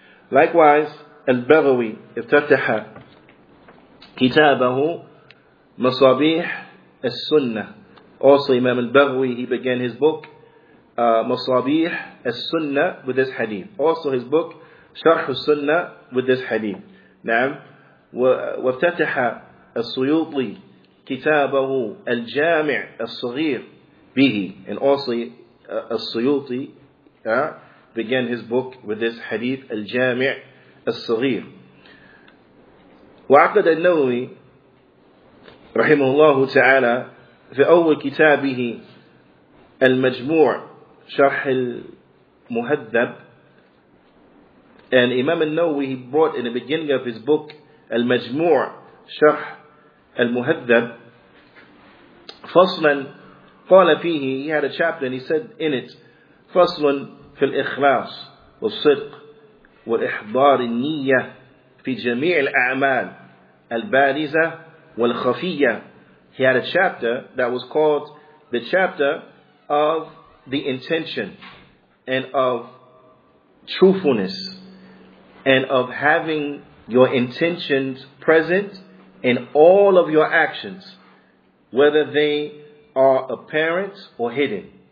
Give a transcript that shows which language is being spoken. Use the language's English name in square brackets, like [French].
[English] Likewise, [Arabic] al-Baghawi, iftataha kitabahu masabih al-Sunnah. [English] Also, Imam al-Baghawi, he began his book, masabih al-Sunnah, with this hadith. Also, his book, Sharh al-Sunnah, with this hadith. [Arabic] Naam. وافتتح السيوطي كتابه الجامع الصغير به. [English] And also السيوطي began his book with this hadith الجامع الصغير. [Arabic] وعقد النووي رحمه الله تعالى في أول كتابه المجموع شرح المهذب. [English] And Imam al-Nawawi, he brought in the beginning of his book المجموع شرح المهذب [Arabic] فصلا قال فيه. [English] He had a chapter and he said in it [Arabic] فصل في الإخلاص والصدق والإحضار النية في جميع الأعمال البارزة والخفية. [English] He had a chapter that was called the chapter of the intention and of truthfulness and of having your intentions present in all of your actions, whether they are apparent or hidden.